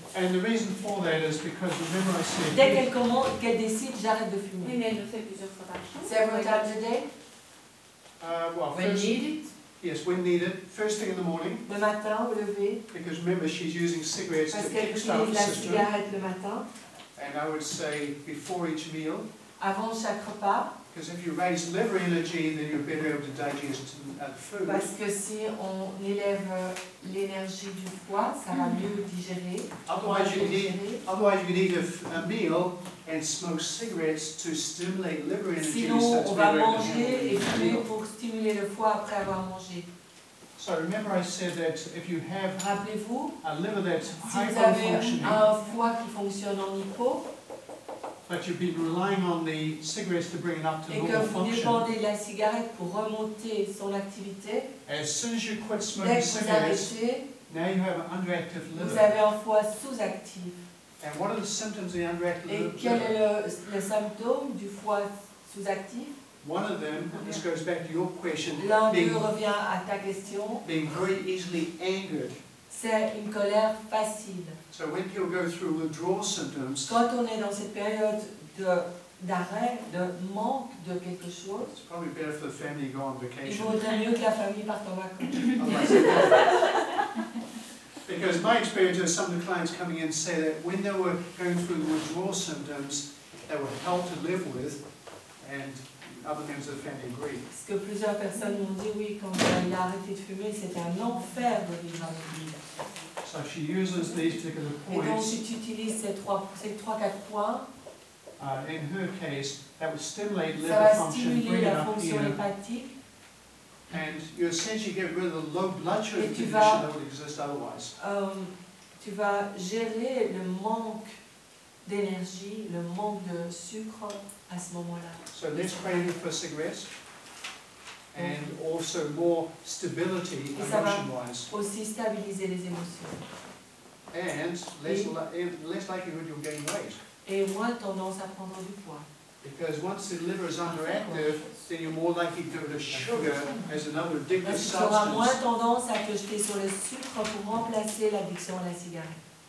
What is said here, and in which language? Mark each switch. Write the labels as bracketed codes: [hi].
[en] And the reason for that is because remember I said. [fr] Dès qu'elle commence, qu'elle décide, j'arrête de fumer. Oui, mais elle le fait plusieurs fois par jour. [en] Several times a day. Well, when first, needed. Yes, when needed. First thing in the morning. [fr] Le matin, au lever. [en] Because remember, she's using cigarettes [fr] parce [en] to kickstart the system. [fr] Parce qu'elle utilise la cigarette le matin. [en] And I would say before each meal. [fr] Avant chaque repas. [en] Because if you raise liver energy, then you're better able to digest the food. [fr] Parce que si on élève l'énergie du foie, ça va mieux digérer. [en] Otherwise, you could eat a meal and smoke cigarettes to stimulate liver energy. [fr] Sinon, on va manger et fumer pour stimuler le foie après avoir mangé. [en] So remember, I said that if you have a liver that's hypofunctioning. But you've been relying on the cigarettes to bring it up to normal function. [fr] Et quand vous dépendez de la cigarette pour remonter son activité, [en] as soon as you quit smoking cigarettes, now you have an underactive liver. [fr] Vous avez un foie sous-actif. [en] And what are the symptoms of the underactive liver? [fr] Et quel est le symptôme du foie sous-actif? [en] One of them, this goes back to your question, [fr] revient à ta question, [en] being very easily angered. [fr] C'est une colère facile. [en] So when you'll go through withdrawal symptoms, [fr] quand on est dans cette période d'arrêt, de manque de quelque chose, [en] it's probably better for the family to go on vacation. [fr] Il vaudrait mieux que la famille parte en vacances. [en] Because my experience is some of the clients coming in say that when they were going through withdrawal symptoms, they were hell to live with, and other members of the family agreed. [fr] Ce que plusieurs personnes m'ont dit, oui, quand il a arrêté de fumer, c'était un enfer de vivre avec lui. [en] So she uses these particular points. [fr] Et donc, si tu utilises ces 3-4 points [en] In her case, that would stimulate liver function, bring it up here. And you essentially get rid of the low blood sugar condition that would exist otherwise. [fr] Tu vas gérer le manque d'énergie, le manque de sucre à ce moment-là. [en] So let's pray for cigarettes and also more stability emotion-wise. [fr] Aussi stabiliser les émotions. [en] And less likelihood you'll gain weight. [fr] Et moins tendance à prendre du poids. [en] Because once the liver is underactive, then you're more likely to give the sugar as another addictive substance. [fr] Tu auras moins tendance à te jeter sur le sucre pour remplacer l'addiction à la cigarette.